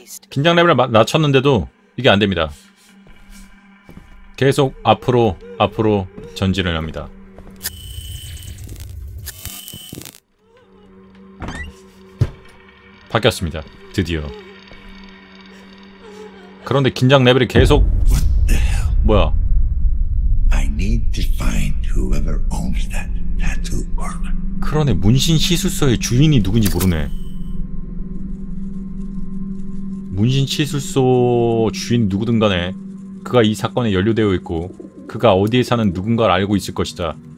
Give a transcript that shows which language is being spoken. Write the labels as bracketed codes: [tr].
[ko] 긴장 레벨 낮췄는데도 이게 안 됩니다. 계속 앞으로 전진을 합니다. 바뀌었습니다. 드디어. 그런데 긴장 레벨이 계속 뭐야? [en] I need to find whoever owns that tattoo parlor. [ko] 그러네 문신 시술소의 주인이 누군지 모르네. 문신 시술소 주인 누구든 간에 그가 이 사건에 연루되어 있고 그가 어디에 사는 누군가를 알고 있을 것이다.